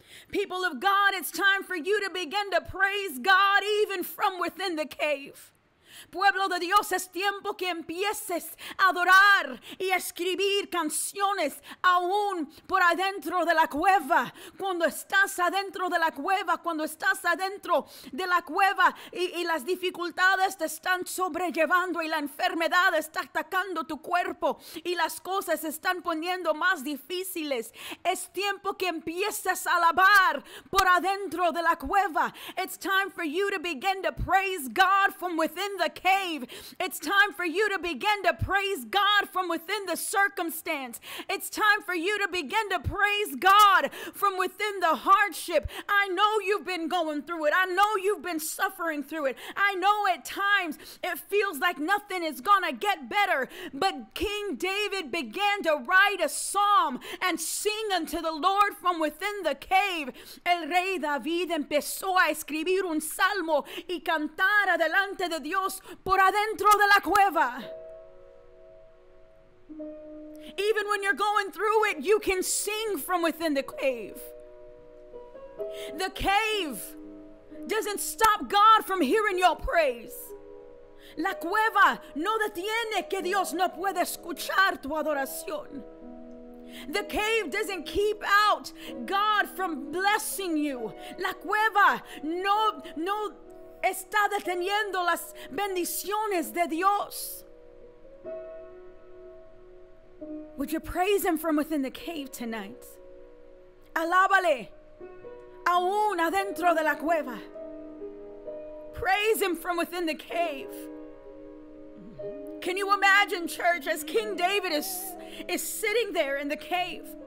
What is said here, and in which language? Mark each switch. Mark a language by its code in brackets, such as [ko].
[en] People of God, it's time for you to begin to praise God even from within the cave. [es] Pueblo de Dios, es tiempo que empieces a adorar y escribir canciones aún por adentro de la cueva. Cuando estás adentro de la cueva, cuando estás adentro de la cueva y las dificultades te están sobrellevando y la enfermedad está atacando tu cuerpo y las cosas se están poniendo más difíciles, es tiempo que empieces a alabar por adentro de la cueva. [en] It's time for you to begin to praise God from within the cave. It's time for you to begin to praise God from within the circumstance. It's time for you to begin to praise God from within the hardship. I know you've been going through it. I know you've been suffering through it. I know at times it feels like nothing is gonna get better, but King David began to write a psalm and sing unto the Lord from within the cave. [es] El rey David empezó a escribir un salmo y cantar adelante de Dios por adentro de la cueva. [en] Even when you're going through it, you can sing from within the cave. The cave doesn't stop God from hearing your praise. [es] La cueva no detiene que Dios no puede escuchar tu adoración. [en] The cave doesn't keep out God from blessing you. [es] La cueva no está deteniendo las bendiciones de Dios. [en] Would you praise him from within the cave tonight? [es] Alábale aún adentro de la cueva. [en] Praise him from within the cave. Can you imagine, church, as King David is sitting there in the cave?